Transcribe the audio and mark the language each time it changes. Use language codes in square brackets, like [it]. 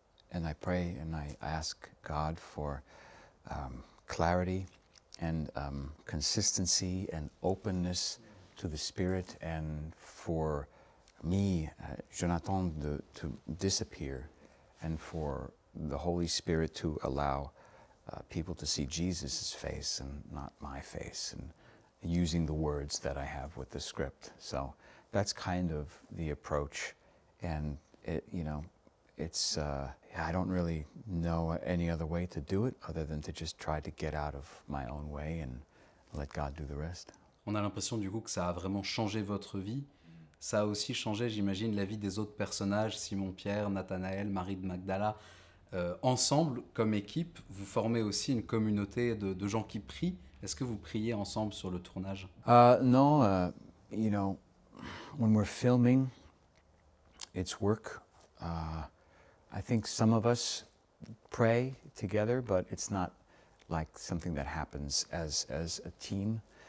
[en] And I pray and I ask God for clarity and consistency and openness to the Spirit and for me, Jonathan, to disappear, and for the Holy Spirit to allow people to see Jesus' face and not my face, and using the words that I have with the script. So that's kind of the approach, and it, you know, it's I don't really know any other way to do it other than to just try to get out of my own way and let God do the rest. [fr] On a l'impression du coup que ça a vraiment changé votre vie. Ça a aussi changé, j'imagine, la vie des autres personnages, Simon, Pierre, Nathanaël, Marie de Magdala. Ensemble, comme équipe, vous formez aussi une communauté de gens qui prient. Est-ce que vous priez ensemble sur le tournage? [en] Non, you know, when we're filming, it's work. I think some of us pray together, but it's not like something that happens as a team.